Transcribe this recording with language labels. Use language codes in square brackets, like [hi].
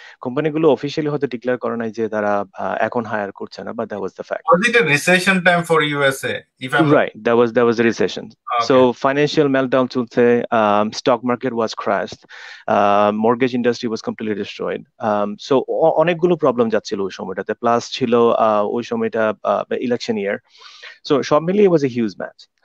[bn] কোম্পানিগুলো অফিশিয়ালি হয়তো ডিক্লেয়ার করে নাই যে তারা এখন হায়ার করছে না, [en] But that was the fact. Was it a recession time for USA? If I'm right, that was a recession. Okay. So financial meltdown চলছে, stock market was crashed, mortgage industry was completely destroyed. [bn] So অনেকগুলো problem যাচ্ছিল ওই সময়টাতে, plus ছিল ওই সময়টা election ইয়ার, so সব মিলিয়ে [en] It was a huge match.